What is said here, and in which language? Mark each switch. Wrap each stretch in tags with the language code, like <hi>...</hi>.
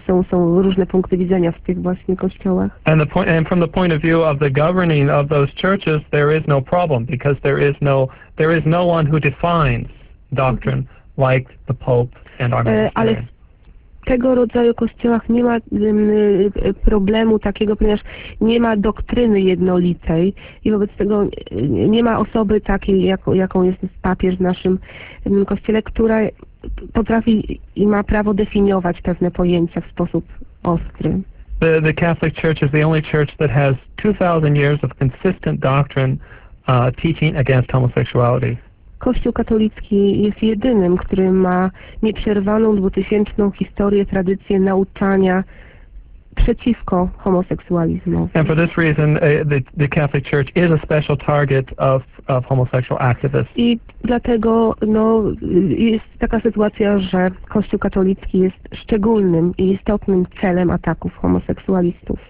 <pl>Są różne punkty widzenia w tych właśnie kościołach.</pl> <en>And from the point of view of the governing of those churches, there is no problem, because there is no one who defines doctrine like the Pope and our ministry.</en> <pl>Tego rodzaju kościołach nie ma problemu takiego, ponieważ nie ma doktryny jednolitej i wobec tego nie ma osoby takiej, jaką jest papież w naszym kościele, która potrafi i ma prawo definiować pewne pojęcia w sposób ostry.</pl> <en>The Catholic Church is the only church that has 2,000 years of consistent doctrine teaching against homosexuality.</en> <pl>Kościół katolicki jest jedynym, który ma nieprzerwaną 2000-tą historię, tradycję nauczania przeciwko homoseksualizmowi.</pl> <en>And for this reason, the Catholic Church is a special target of homosexual activists.</en> <pl>I dlatego jest taka sytuacja, że Kościół katolicki jest szczególnym i istotnym celem ataków homoseksualistów.</pl>